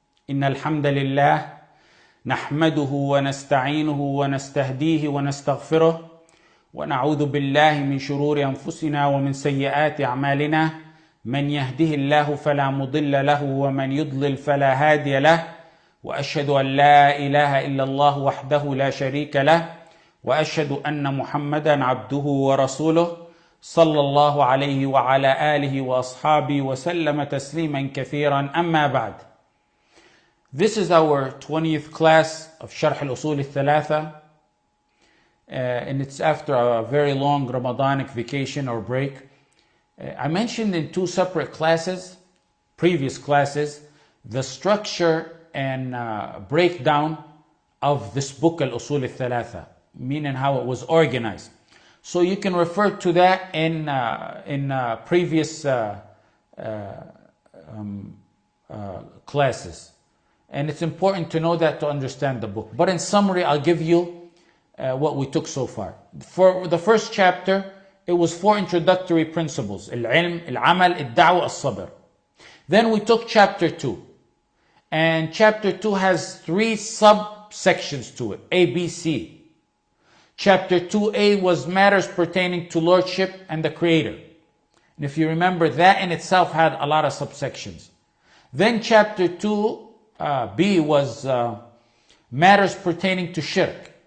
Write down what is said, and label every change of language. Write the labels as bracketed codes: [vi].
[ar] إن الحمد لله نحمده ونستعينه ونستهديه ونستغفره ونعوذ بالله من شرور أنفسنا ومن سيئات أعمالنا، من يهده الله فلا مضل له ومن يضلل فلا هادي له، وأشهد أن لا إله إلا الله وحده لا شريك له، وأشهد أن محمدا عبده ورسوله صلى الله عليه وعلى آله وأصحابه وسلم تسليما كثيرا. أما بعد، [en] This is our 20th class of شرح الأصول الثلاثة and it's after a very long Ramadanic vacation or break. I mentioned in two separate classes, previous classes, the structure and breakdown of this book الأصول الثلاثة, meaning how it was organized. So you can refer to that in previous classes. And it's important to know that to understand the book. But in summary, I'll give you what we took so far. For the first chapter, it was four introductory principles. [ar] العلم, العمل, الدعوة, الصبر. [en] Then we took chapter two. And chapter two has three subsections to it, A, B, C. Chapter 2a was matters pertaining to Lordship and the Creator. And if you remember, that in itself had a lot of subsections. Then chapter 2b was matters pertaining to Shirk.